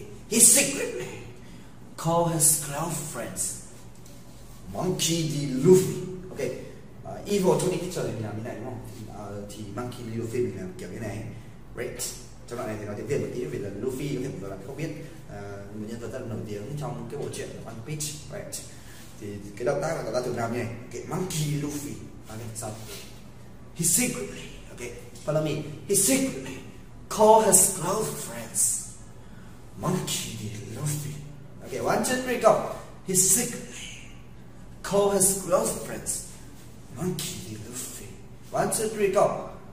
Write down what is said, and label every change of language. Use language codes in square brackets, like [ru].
[en] He secretly call his close friends Monkey D. Luffy. Okay. [vi] Evil Tony Kitchen thì mình làm như này đúng không? Thì Monkey Luffy mình làm kiểu như này. Right. Cho bạn này thì nói tiếng Việt một tí vì là Luffy có thể một bạn không biết một nhân vật rất nổi tiếng trong cái bộ truyện One Piece. Right. Thì cái động tác là chúng ta thường làm như này. [en] Okay. Monkey Luffy. Okay. So he secretly. Okay. Follow me. He secretly call his close friends Monkey Luffy. Okay. 1, 2, 3, go. He secretly call his close friends Monkey Luffy. 1, 2, 3, go.